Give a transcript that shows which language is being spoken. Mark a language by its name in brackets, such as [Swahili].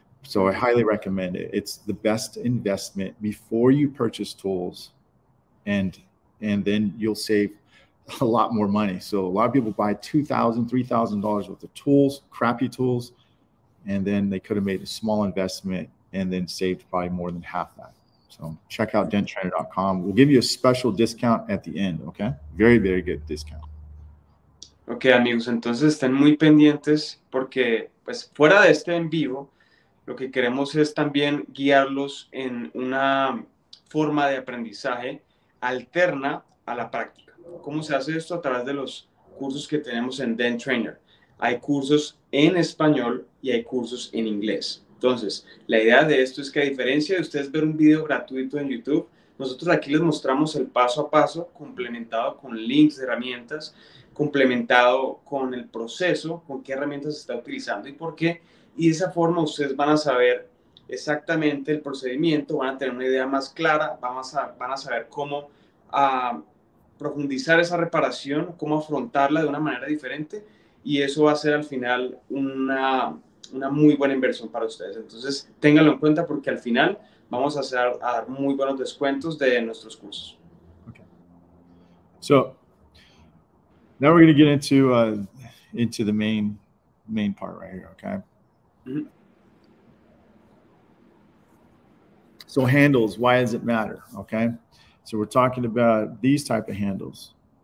[English] So I highly recommend it. It's the best investment before you purchase tools, and then you'll save a lot more money. So a lot of people buy $2,000, $3,000 worth of tools, crappy tools, and then they could have made a small investment and then saved probably more than half that. So check out denttrainer.com. We'll give you a special discount at the end, okay? Very, very good discount. [Spanish] Okay, amigos, entonces estén muy pendientes porque, pues, fuera de este en vivo, lo que queremos es también guiarlos en una forma de aprendizaje alterna a la práctica. ¿Cómo se hace esto? A través de los cursos que tenemos en Dent Trainer. Hay cursos en español y hay cursos en inglés. Entonces, la idea de esto es que, a diferencia de ustedes ver un video gratuito en YouTube, nosotros aquí les mostramos el paso a paso, complementado con links de herramientas, complementado con el proceso, con qué herramientas se está utilizando y por qué. Y de esa forma ustedes van a saber exactamente el procedimiento, van a tener una idea más clara, van a saber cómo profundizar esa reparación, cómo afrontarla de una manera diferente, y eso va a ser al final una muy buena inversión para ustedes. Entonces, ténganlo en cuenta porque al final vamos a hacer a dar muy buenos descuentos de nuestros cursos. [English] Okay. So, now we're going to get into the main part right here, okay? Mm-hmm. So handles, why does it matter? Okay, so we're talking about these type of handles.